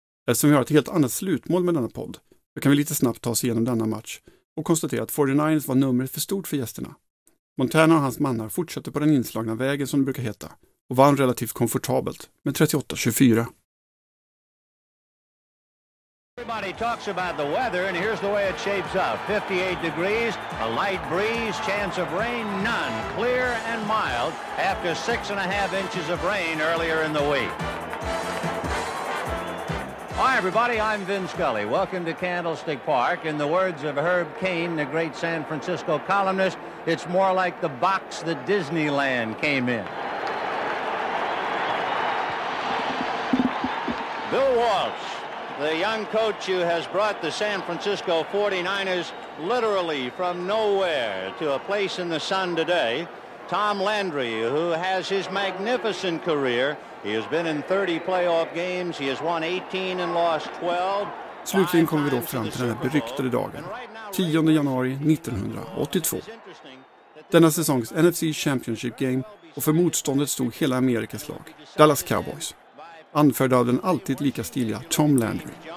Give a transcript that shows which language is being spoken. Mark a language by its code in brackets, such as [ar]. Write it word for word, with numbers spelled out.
[sv] Eftersom vi har ett helt annat slutmål med denna podd så kan vi lite snabbt ta oss igenom denna match och konstatera att fyrtionioers var numret för stort för gästerna. Montana och hans mannar fortsatte på den inslagna vägen som det brukar heta och vann relativt komfortabelt med trettioåtta tjugofyra. [en] Everybody talks about the weather, and here's the way it shapes up. fifty-eight degrees, a light breeze, chance of rain, none. Clear and mild after six and a half inches of rain earlier in the week. Hi, everybody. I'm Vin Scully. Welcome to Candlestick Park. In the words of Herb Cain, the great San Francisco columnist, it's more like the box that Disneyland came in. Bill Walsh. The young coach who has brought the San Francisco fyrtionioers literally from nowhere to a place in the sun today. Tom Landry, who has his magnificent career. He has been in thirty playoff games. He has won eighteen and lost twelve. [sv] Slutligen kommer vi då fram till den här beryktade dagen, tionde januari nittonhundraåttiotvå. Denna säsongs N F C Championship Game och för motståndet stod hela Amerikas lag, Dallas Cowboys. Anförd av den alltid lika stiliga Tom Landry.